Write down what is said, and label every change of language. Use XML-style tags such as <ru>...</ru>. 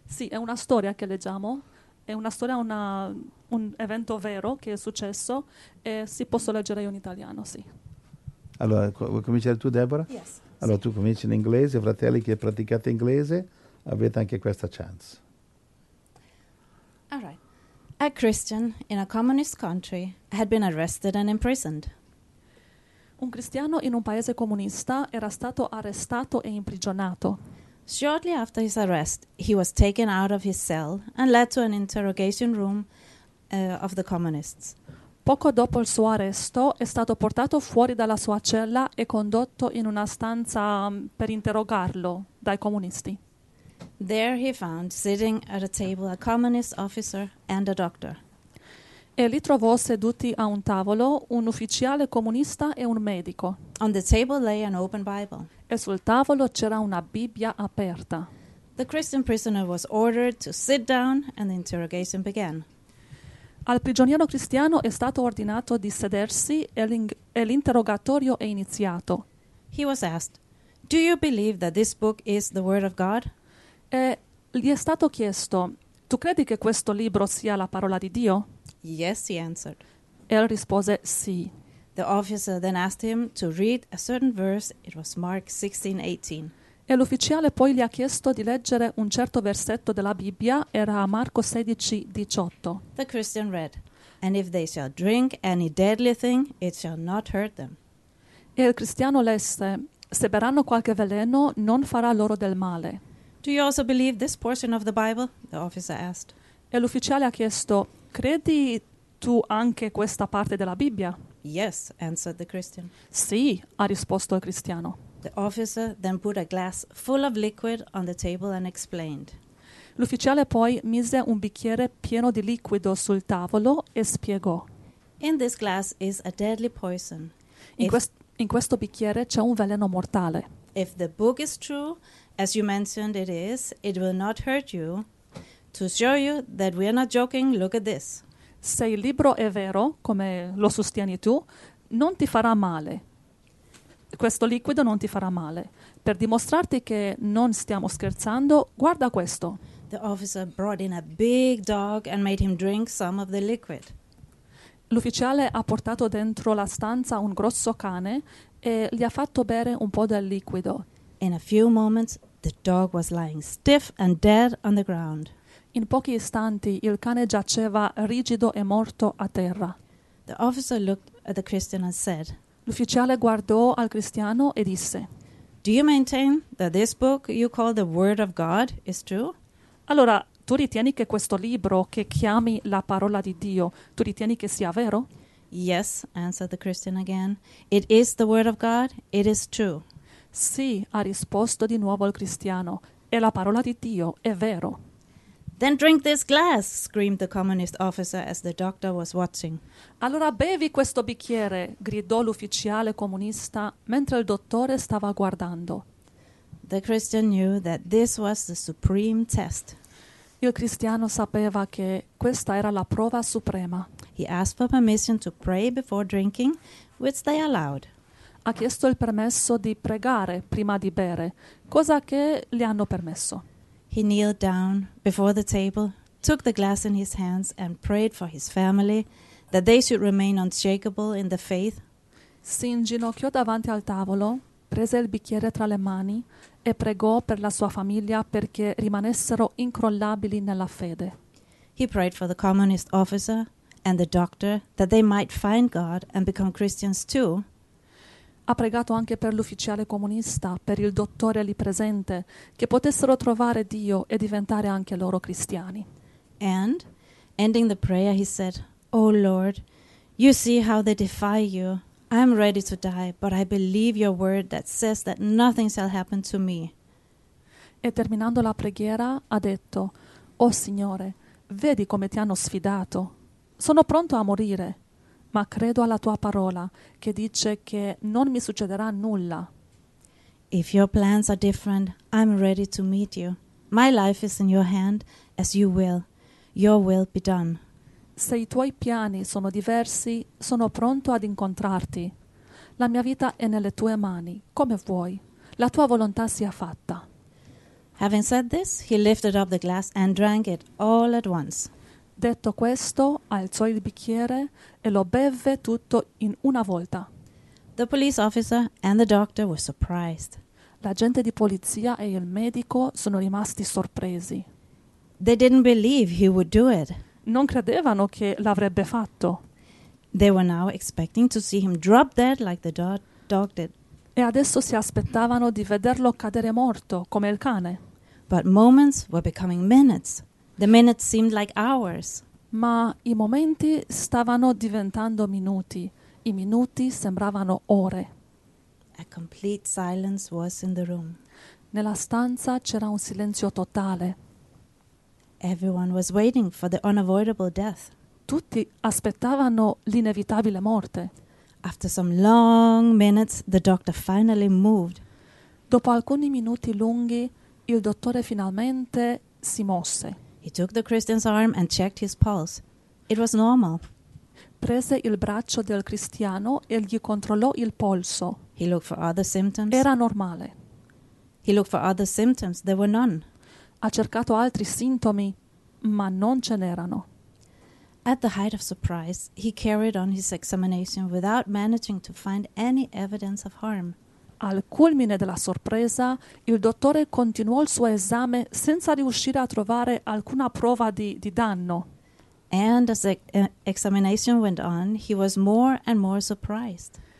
<it>Sì, è una storia che leggiamo, è una storia, un evento vero che è successo, e si posso leggere io in italiano, sì. Allora, vuoi cominciare tu, Deborah?</it> <en>Yes.</en> <it>Allora, sì. Tu cominci in inglese, fratelli che praticate inglese, avete anche questa chance.</it> <en>All right. A Christian in a communist country had been arrested and imprisoned.</en> <it>Un cristiano in un paese comunista era stato arrestato e imprigionato.</it> <en>Shortly after his arrest, he was taken out of his cell and led to an interrogation room of the communists.</en> <it>Poco dopo il suo arresto, è stato portato fuori dalla sua cella e condotto in una stanza per interrogarlo dai comunisti.</it> <en>There he found sitting at a table a communist officer and a doctor.</en> <it>E lì trovò seduti a un tavolo un ufficiale comunista e un medico.</it> <en>On the table lay an open Bible.</en> <it>E sul tavolo c'era una Bibbia aperta.</it> <en>The Christian prisoner was ordered to sit down and the interrogation began.</en> <it>Al prigioniero cristiano è stato ordinato di sedersi e l'interrogatorio è iniziato.</it> <en>He was asked, "Do you believe that this book is the word of God?"</en> <it>E gli è stato chiesto, "Tu credi che questo libro sia la parola di Dio?"</it> <en>"Yes," he answered.</en> <it>E lui rispose, "Sì."</it> <en>The officer then asked him to read a certain verse. It was Mark 16:18.</en> <it>E l'ufficiale poi gli ha chiesto di leggere un certo versetto della Bibbia, era Marco 16:18.</it> <en>The Christian read, "And if they shall drink any deadly thing, it shall not hurt them."</en> <it>E il cristiano lesse, "Se berranno qualche veleno, non farà loro del male."</it> <en>"Do you also believe this portion of the Bible?" the officer asked.</en> <it>E l'ufficiale ha chiesto, "Credi tu anche questa parte della Bibbia?"</it> <en>"Yes," answered the Christian.</en> <it>"Sì," ha risposto il cristiano.</it> <en>The officer then put a glass full of liquid on the table and explained.</en> <it>L'ufficiale poi mise un bicchiere pieno di liquido sul tavolo e spiegò.</it> <en>"In this glass is a deadly poison."</en> <it>In questo bicchiere c'è un veleno mortale.</it> <en>"If the book is true, as you mentioned it is, it will not hurt you. To show you that we are not joking, look at this."</en> <it>Se il libro è vero, come lo sostieni tu, non ti farà male. Questo liquido non ti farà male. Per dimostrarti che non stiamo scherzando, guarda questo.</it> <en>The officer brought in a big dog and made him drink some of the liquid.</en> <it>L'ufficiale ha portato dentro la stanza un grosso cane e gli ha fatto bere un po' del liquido.</it> <en>In a few moments, the dog was lying stiff and dead on the ground.</en> <it>In pochi istanti, il cane giaceva rigido e morto a terra.</it> <en>The officer looked at the Christian and said,</en> <it>L'ufficiale guardò al cristiano e disse,</it> <en>"Do you maintain that this book you call the word of God is true?"</en> <it>Allora, tu ritieni che questo libro che chiami la parola di Dio, tu ritieni che sia vero?</it> <en>"Yes," answered the Christian again. "It is the word of God. It is true."</en> <it>Sì, ha risposto di nuovo il cristiano. È la parola di Dio, è vero.</it> <en>"Then drink this glass," screamed the communist officer as the doctor was watching.</en> <it>Allora bevi questo bicchiere, gridò l'ufficiale comunista mentre il dottore stava guardando.</it> <en>The Christian knew that this was the supreme test.</en> <it>Il cristiano sapeva che questa era la prova suprema.</it> <en>He asked for permission to pray before drinking, which they allowed.</en> <it>Ha chiesto il permesso di pregare prima di bere, cosa che gli hanno permesso.</it> <en>He kneeled down before the table, took the glass in his hands and prayed for his family, that they should remain unshakable in the faith.</en> <it>Si inginocchiò davanti al tavolo, prese il bicchiere tra le mani e pregò per la sua famiglia perché rimanessero incrollabili nella fede.</it> <en>He prayed for the communist officer and the doctor that they might find God and become Christians too.</en> <it>Ha pregato anche per l'ufficiale comunista, per il dottore lì presente, che potessero trovare Dio e diventare anche loro cristiani.</it> <en>And, ending the prayer, he said, "Oh Lord, you see how they defy you. I am ready to die, but I believe your word that says that nothing shall happen to me."</en> <it>E terminando la preghiera, ha detto, "Oh Signore, vedi come ti hanno sfidato. Sono pronto a morire, ma credo alla tua parola che dice che non mi succederà nulla."</it> <en>If your plans are different, I'm ready to meet you. My life is in your hand, as you will. Your will be done.</en> <it>Se i tuoi piani sono diversi, sono pronto ad incontrarti. La mia vita è nelle tue mani, come vuoi. La tua volontà sia fatta.</it> <en>Having said this, he lifted up the glass and drank it all at once.</en> <it>Detto questo, alzò il bicchiere e lo bevve tutto in una volta.</it> <en>The police officer and the doctor were surprised.</en> <it>L'agente di polizia e il medico sono rimasti sorpresi.</it> <en>They didn't believe he would do it.</en> <it>Non credevano che l'avrebbe fatto.</it> <en>They were now expecting to see him drop dead like the dog did.</en> <it>E adesso si aspettavano di vederlo cadere morto come il cane.</it> <en>But moments were becoming minutes. The minutes seemed like hours.</en> <it>Ma i momenti stavano diventando minuti. I minuti sembravano ore.</it> <en>A complete silence was in the room.</en> <it>Nella stanza c'era un silenzio totale.</it> <en>Everyone was waiting for the unavoidable death.</en> <it>Tutti aspettavano l'inevitabile morte.</it> <en>After some long minutes, the doctor finally moved.</en> <it>Dopo alcuni minuti lunghi, il dottore finalmente si mosse.</it> <en>He took the Christian's arm and checked his pulse. It was normal.</en> <it>Prese il braccio del cristiano e gli controllò il polso.</it> <en>He looked for other symptoms.</en> <it>Era normale.</it> <en>He looked for other symptoms. There were none.</en> <it>Ha cercato altri sintomi, ma non ce n'erano.</it> <en>At the height of surprise, he carried on his examination without managing to find any evidence of harm.</en> <it>Al culmine della sorpresa, il dottore continuò il suo esame senza riuscire a trovare alcuna prova di danno.</it> <en>And as the examination went on, he was more and more surprised.</en>